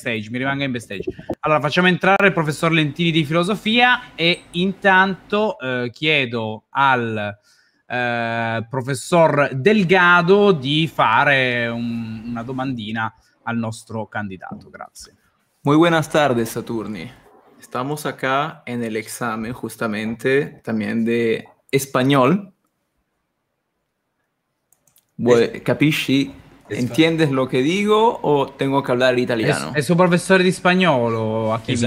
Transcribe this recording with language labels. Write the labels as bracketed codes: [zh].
[it] mi rimanga in backstage. Allora, facciamo entrare il professor Lentini di filosofia e intanto chiedo al professor Delgado di fare una domandina al nostro candidato. Grazie. [es] Muy buenas tardes, Saturni. Estamos acá en el examen justamente también de español. [it] Capisci? [es] ¿Entiendes lo que digo o tengo que hablar [it] È suo professore di spagnolo a chi vince